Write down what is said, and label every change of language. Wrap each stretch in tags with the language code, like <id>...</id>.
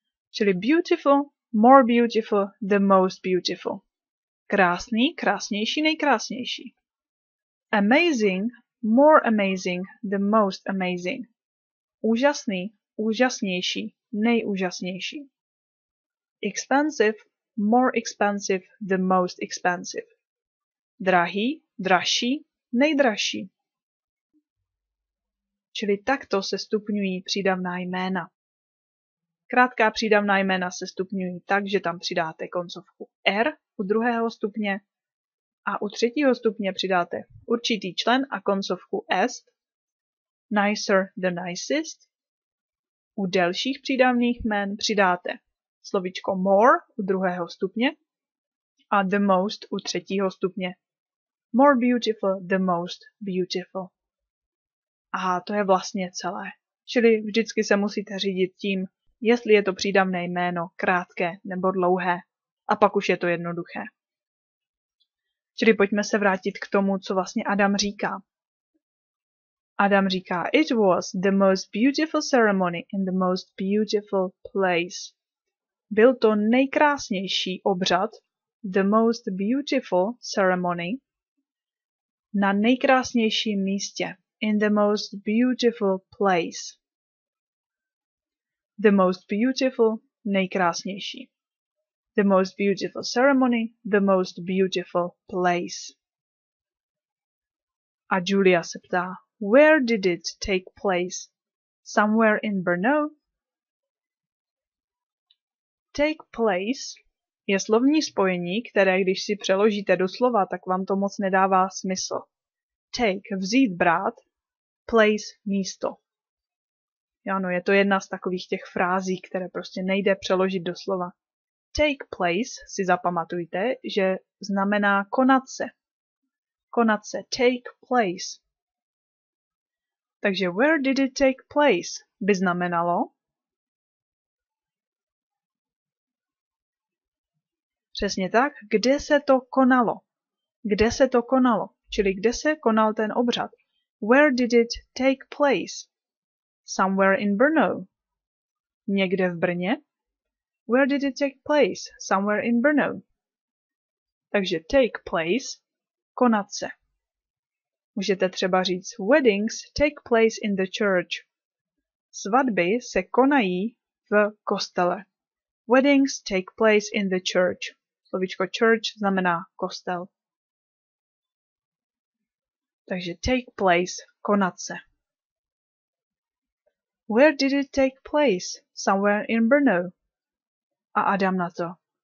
<en>Čili beautiful, more beautiful, the most beautiful.</en> <cs>Krásný, krásnější, nejkrásnější.</cs> <en>Amazing, more amazing, the most amazing.</en> <cs>Úžasný, úžasnější, nejúžasnější.</cs> <en>Expensive, more expensive, the most expensive.</en> <cs>Drahý, dražší, nejdražší. Čili takto se stupňují přídavná jména. Krátká přídavná jména se stupňují tak, že tam přidáte koncovku R u druhého stupně a u třetího stupně přidáte určitý člen a koncovku est,</cs> <en>nicer, the nicest.</en> <cs>U delších přídavných jmén přidáte slovíčko more u druhého stupně a the most u třetího stupně.</cs> <en>More beautiful, the most beautiful.</en> <cs>A to je vlastně celé. Čili vždycky se musíte řídit tím, jestli je to přídavné jméno krátké nebo dlouhé. A pak už je to jednoduché. Čili pojďme se vrátit k tomu, co vlastně Adam říká. Adam říká,</cs> <en>it was the most beautiful ceremony in the most beautiful place.</en> <cs>Byl to nejkrásnější obřad,</cs> <en>the most beautiful ceremony,</en> <cs>na nejkrásnějším místě,</cs> <en>in the most beautiful place. The most beautiful,</en> <cs>nejkrásnější.</cs> <en>The most beautiful ceremony, the most beautiful place.</en> <cs>A Julia se ptá,</cs> <en>where did it take place? Somewhere in Brno?</en> <cs>Take place je slovní spojení, které když si přeložíte do slova, tak vám to moc nedává smysl. Take, vzít, brát, place, místo. Ano, je to jedna z takových těch frází, které prostě nejde přeložit do slova. Take place, si zapamatujte, že znamená konat se. Konat se, take place. Takže</cs> <en>where did it take place</en> <cs>by znamenalo? Přesně tak, kde se to konalo? Kde se to konalo? Čili kde se konal ten obřad?</cs> <en>Where did it take place? Somewhere in Brno.</en> <cs>Někde v Brně?</cs> <en>Where did it take place? Somewhere in Brno. Takže take place,</en> <cs>konat se. Můžete třeba říct,</cs> <en>weddings take place in the church.</en> <cs>Svatby se konají v kostele.</cs> <en>Weddings take place in the church.</en> <cs>Slovíčko church znamená kostel. Takže take place, konat se.</cs> <en>Where did it take place? Somewhere in Brno.</en> <cs>A Adam na to.</cs>